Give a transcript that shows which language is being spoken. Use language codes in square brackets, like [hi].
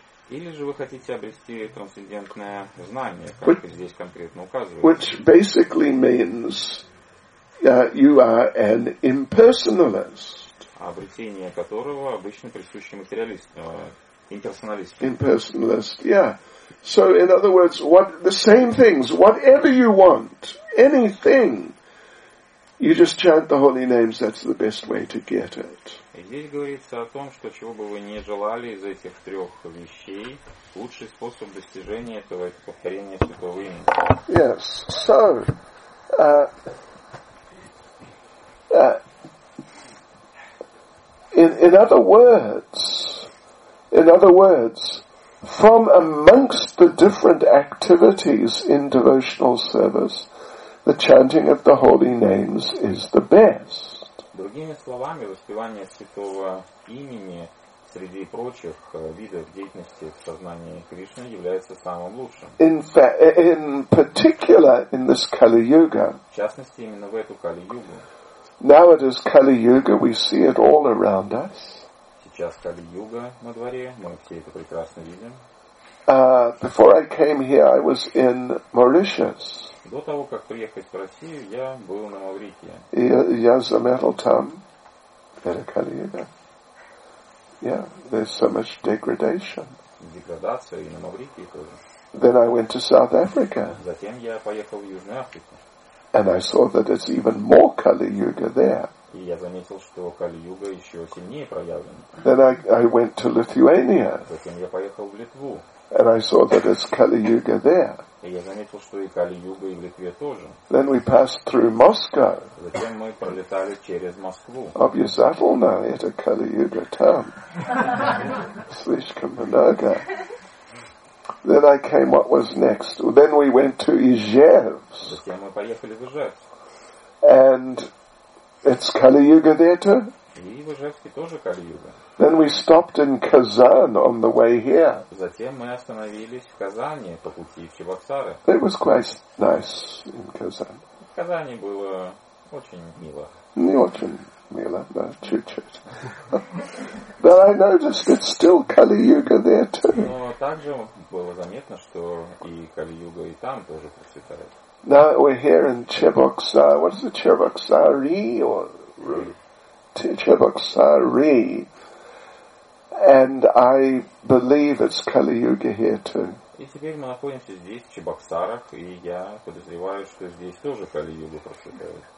[ru] Или же вы хотите обрести трансцендентное знание, как which, здесь конкретно указывается. [en] Which basically means you are an impersonalist. [ru] Обретение которого обычно присуще материалистам, имперсоналистам. [en] Impersonalist, yeah. So, in other words, what the same things, whatever you want, anything, you just chant the holy names, that's the best way to get it. [ru] И здесь говорится о том, что чего бы вы ни желали из этих трех вещей, лучший способ достижения этого – это повторение святого имени. [en] Yes. So, in other words, from amongst the different activities in devotional service, the chanting of the holy names is the best. [ru] Другими словами, воспевание святого имени среди прочих видов деятельности в сознании Кришны является самым лучшим. [en] In particular, in this Kali Yuga. [ru] В частности, именно в эту Kali Yuga. [en] Now it is Kali Yuga, we see it all around us. [ru] Сейчас Kali Yuga на дворе, мы все это прекрасно видим. [en] Before I came here, I was in Mauritius. [ru] До того, как приехать в Россию, я был на Маврикии. И я заметил там, это Кали-юга. [en] Yeah, there's so much degradation. [ru] Деградация и на Маврикии тоже. [en] Then I went to South Africa. [ru] Затем я поехал в Южную Африку. [en] And I saw that it's even more Кали-юга there. [ru] И я заметил, что Кали-юга еще сильнее проявлена. [en] Then I went to Lithuania. [ru] Затем я поехал в Литву. [en] And I saw that it's Kali-yuga there. [ru] И я заметил, что и Кали-юга, и в Литве тоже. [en] Then we passed through Moscow. [ru] Затем мы пролетали через Москву. Обязательно, это Кали-юга там. Слишком много. [en] Then I came, what was next? Then we went to Ижевск. [ru] Затем мы поехали в Ижевск. [en] And it's Kali-yuga there too. [ru] И в Ижевске тоже Кали-юга. [en] Then we stopped in Kazan on the way here. [ru] Затем мы остановились в Казани по пути в Чебоксары. [en] It was quite nice in Kazan. [ru] В Казани было очень мило. Не очень мило, но чуть-чуть. [en] But I noticed it's still Kali-yuga there too. [ru] Но также было заметно, что и Кали-юга и там тоже процветает. [en] Now we're here in Chebokser. What is it, Chebokseri or Chebokseri? And I believe it's Kali Yuga here too. [ru] И теперь мы находимся здесь, в Чебоксарах, и я подозреваю, что здесь тоже Kali Yuga процветает.